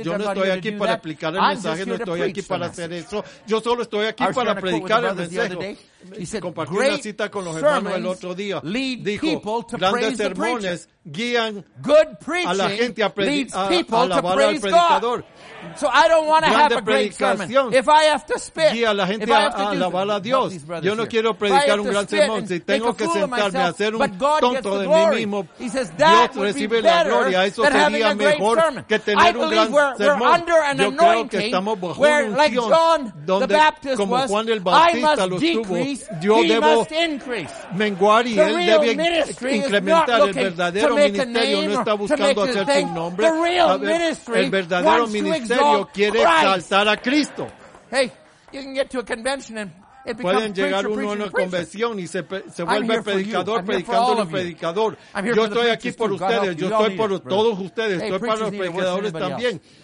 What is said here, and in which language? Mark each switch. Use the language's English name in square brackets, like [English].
[Spanish] Yo no estoy aquí para explicar el mensaje, no estoy aquí para hacer eso. Yo solo estoy aquí para predicar el mensaje. Compartí una cita con los hermanos el otro día. Dijo, grandes sermones guían a la gente a alabar al predicador. [English] So I don't want to have a great sermon. If I have to spit, [Spanish] guía a la gente a alabar a Dios. Yo no quiero predicar un gran sermón. Si tengo que sentarme a hacer un tonto de mí mismo, Dios recibe la gloria. Eso sería mejor que tener un gran sermón. Yo creo que estamos bajo una unción donde, como Juan el Bautista lo estuvo, yo debo menguar y él debe incrementar. El verdadero ministerio no está buscando hacer su nombre. El verdadero ministerio quiere exaltar a Cristo. [English] Hey, you can get to a convention and [Spanish] pueden llegar uno a una convención y se vuelve predicador, predicando a un predicador. Yo estoy aquí por ustedes, yo estoy por todos ustedes, estoy para los predicadores también.